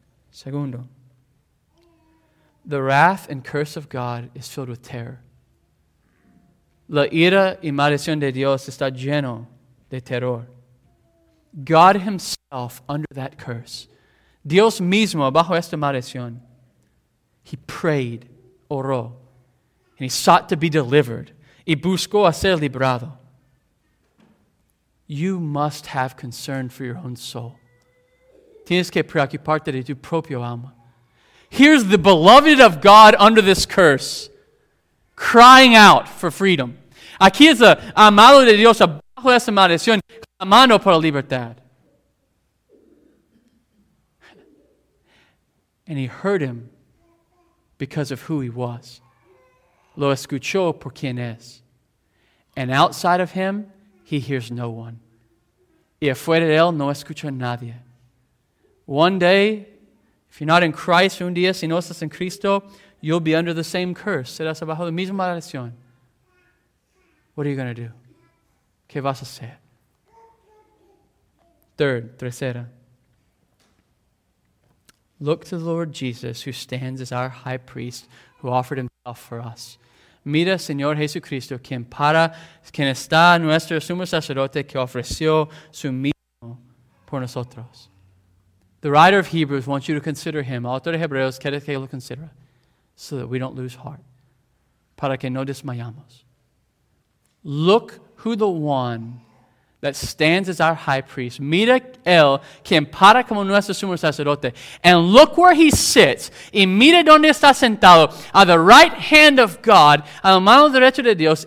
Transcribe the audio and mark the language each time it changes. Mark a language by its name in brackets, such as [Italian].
[English] Segundo, the wrath and curse of God is filled with terror. [Spanish] La ira y maldición de Dios está lleno de terror. [English] God himself under that curse, [Spanish] Dios mismo bajo esta maldición, [English] he prayed, oró, and he sought to be delivered, [Spanish] y buscó a ser librado. [English] You must have concern for your own soul. [Spanish] Tienes que preocuparte de tu propio alma. [English] Here's the beloved of God under this curse, crying out for freedom. [Spanish] Aquí es el amado de Dios bajo esa maldición, clamando por la libertad. [English] And he heard him because of who he was. [Spanish] Lo escuchó por quien es. [English] And outside of him, he hears no one. [Spanish] Y afuera de él no escucha nadie. [English] One day, if you're not in Christ, [Spanish] un día, si no estás en Cristo, [English] you'll be under the same curse. [Spanish] Serás bajo la misma maldición. [English] What are you going to do? [Spanish] ¿Qué vas a hacer? Tercera. [English] Look to the Lord Jesus, who stands as our high priest, who offered himself for us. [Spanish] Mira, Señor Jesucristo, quien está nuestro sumo sacerdote, que ofreció su mismo por nosotros. [English] The writer of Hebrews wants you to consider him. [Spanish] Autor de Hebreos quiere que lo considera, [English] so that we don't lose heart. [Spanish] Para que no desmayamos. [English] Look who the one that stands as our high priest. [Spanish] Mira él quien para como nuestro sumo sacerdote. [English] And look where he sits. [Spanish] Y mira donde está sentado. [English] At the right hand of God. [Spanish] A la mano derecha de Dios.